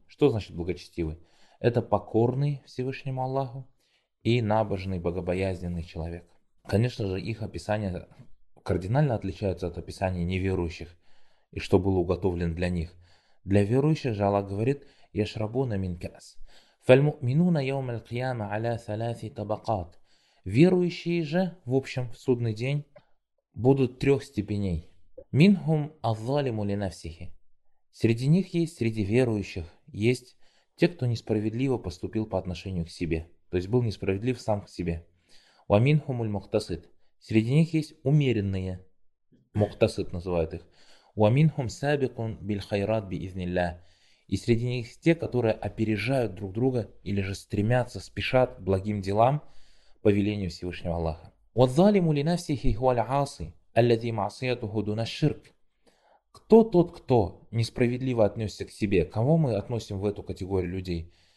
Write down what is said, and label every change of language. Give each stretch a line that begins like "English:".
Russian: Что значит благочестивый? Это покорный Всевышнему Аллаху и набожный, богобоязненный человек. Конечно же, их описание кардинально отличается от описания неверующих и что было уготовлено для них. Для верующих же Аллах говорит «Яшрабуна мин кас».
Arabic: فالمؤمنون يوم القيامة على ثلاث طبقات.
Russian: Верующие же, в общем, в судный день будут трех степеней.
Arabic: منهم الظالم لنفسه.
Russian: Среди них есть, среди верующих, есть те, кто несправедливо поступил по отношению к себе, то есть был несправедлив сам к себе.
Arabic: ومنهم المقتصد.
Russian: Среди них есть умеренные, مقتصد называют их.
Arabic: ومنهم سابق بالخيرات بإذن الله.
Russian: И среди них те, которые опережают друг друга или же стремятся, спешат к благим делам по велению Всевышнего Аллаха.
Arabic: وَالظَّالِمُ لِنَفْسِهِ هُوَ الْعَاصِي الَّذِي مَعْصِيَتُهُ دُونَ الشِّرْكِ.
Russian: Кто тот, кто несправедливо отнесся к себе? Кого мы относим в эту категорию людей?